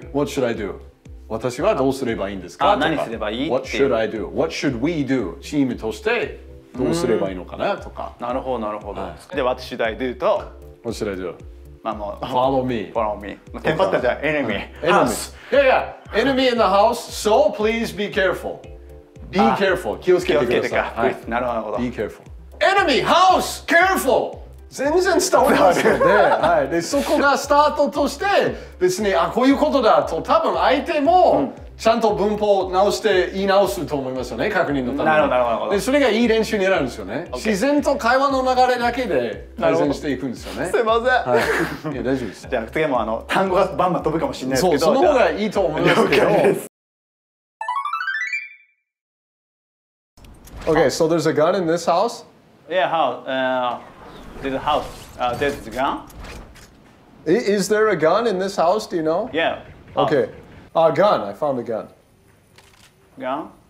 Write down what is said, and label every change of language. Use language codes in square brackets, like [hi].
[en] What should I do? [ja] 私はどうすればいいんですか。あ、何すればいい。 [en] What should I do? What should we do? [ja] チームとしてどうすればいいのかなとか。なるほど、なるほど。はい、で、 [en] What should I do? [ja] と [en] What should I do? [ja] まあもう [en] Follow me、 [ja] まあ、テンパったじゃん。 [en] Enemy、House! Yeah! Enemy in the house, so please be careful. Be careful! [ja] 気をつけてください。気をつけてか、はい、なるほど。 [en] Be careful! Enemy! House! Careful! [ja] 全然伝わりますよね。はい、で、そこがスタートとして別に、あ、こういうことだと多分相手も、うん、ちゃんと文法を直して言い直すと思いますよね、確認のために。なるほど。で、それがいい練習になるんですよね、okay. 自然と会話の流れだけで改善していくんですよね。すいません、はい、いや大丈夫です。じゃあ次も単語がバンバン飛ぶかもしれないですけど、その方がいいと思いますけど。了解です。 [en] Okay, so there's a gun in this house? Yeah, there's a gun. Is there a gun in this house, do you know? Yeah. Okay. A gun, I found a gun. Gun?